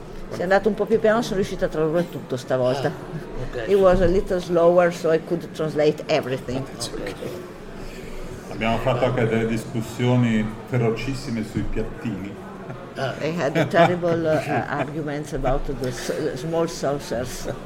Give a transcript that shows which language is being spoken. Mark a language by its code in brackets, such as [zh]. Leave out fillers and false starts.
[it] Se è andato un po' più piano, sono riuscito a tradurre tutto stavolta. [en] Okay. It was a little slower, so I could translate everything. [it] Abbiamo fatto anche delle discussioni ferocissime sui piattini. [en] They had the terrible arguments about the small saucers.